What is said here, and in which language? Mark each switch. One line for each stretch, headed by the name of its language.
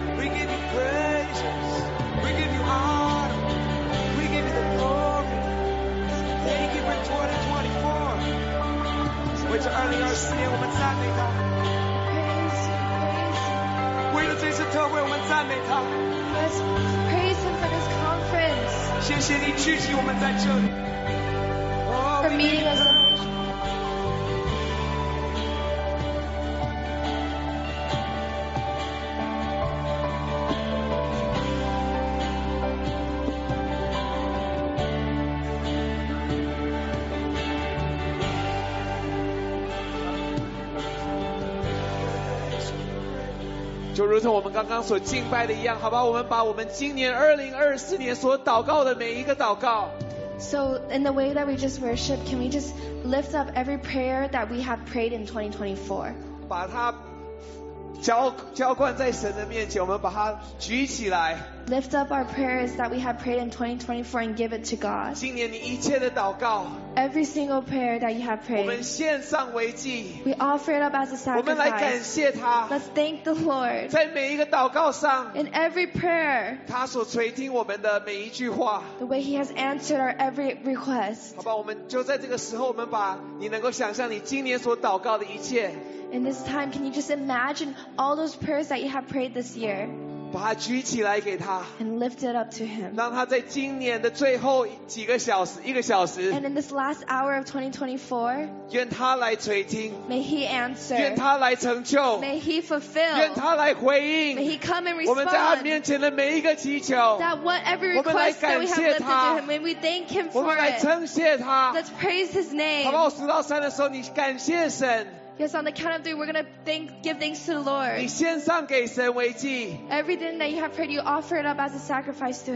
English: We give you praise. We give you honor. We give you the glory. Thank you for 2024. Which early hours today, we're praise you. We're going to say to God, we're going to praise him for this conference.
Chinese: 谢谢你支持我们在这里
English: oh, for meeting us.
Chinese: 就如同我们刚刚所敬拜的一样，好吧，我们把我们今年2024年所祷告的每一个祷告。
English: So in the way that we just worship, can we just lift up every prayer that we have prayed in 2024?
Chinese: 把它浇灌在神的面前，我们把它举起来。
English: Lift up our prayers that we have prayed in 2024 and give it to God.
Chinese: 今年你一切的祷告。
English: Every single prayer that you have prayed.
Chinese: 我们献上为祭。
English: We offer it up as a sacrifice.
Chinese: 我们来感谢他。
English: Let's thank the Lord.
Chinese: 在每一个祷告上。
English: In every prayer.
Chinese: 他所垂听我们的每一句话。
English: The way He has answered our every request.
Chinese: 好吧，我们就在这个时候，我们把你能够想象你今年所祷告的一切。
English: In this time, can you just imagine all those prayers that you have prayed this year?
Chinese: 把它举起来给他。
English: And lift it up to him.
Chinese: 让他在今年的最后几个小时，一个小时。
English: And in this last hour of 2024,
Chinese: 愿他来垂听。
English: May he answer.
Chinese: 愿他来成就。
English: May he fulfill.
Chinese: 愿他来回应。
English: May he come and respond.
Chinese: 我们在他面前的每一个祈求。
English: That whatever request that we have lifted to him, may we thank him for it.
Chinese: 我们来感谢他。
English: Let's praise his name.
Chinese: 好吧，我数到三的时候，你感谢神。
English: Yes, on the count of three, we're going to give thanks to the Lord.
Chinese: 你献上给神为祭。
English: Everything that you have prayed, you offer it up as a sacrifice to him.